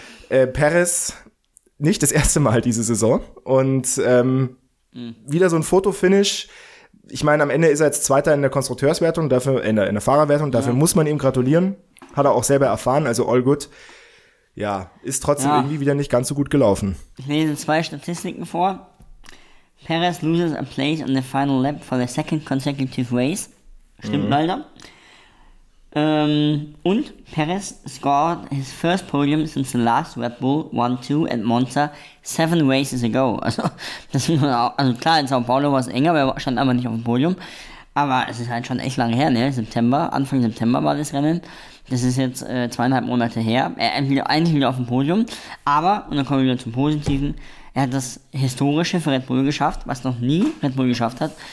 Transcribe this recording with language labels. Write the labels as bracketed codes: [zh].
[de] Perez, nicht das erste Mal diese Saison. Und wieder so ein Fotofinish. Ich meine, am Ende ist er jetzt Zweiter in der Konstrukteurswertung, dafür in der Fahrerwertung. Dafür muss man ihm gratulieren. Hat er auch selber erfahren, also all good. Ja, ist trotzdem irgendwie wieder nicht ganz so gut gelaufen. Ich lese 2 Statistiken vor. [en] Perez loses a place on the final lap for the second consecutive race. [de] Stimmt leider. Und [en] Perez scored his first podium since the last Red Bull 1-2 at Monza 7 races ago. [de] Also klar, in Sao Paulo war es enger, aber er stand einfach nicht auf dem Podium. Aber es ist halt schon echt lange her, ne? September, Anfang September war das Rennen. Das ist jetzt 2,5 Monate her. Er ist eigentlich wieder auf dem Podium. Aber, und dann kommen wir wieder zum Positiven, er hat das Historische für Red Bull geschafft, was noch nie Red Bull geschafft hat.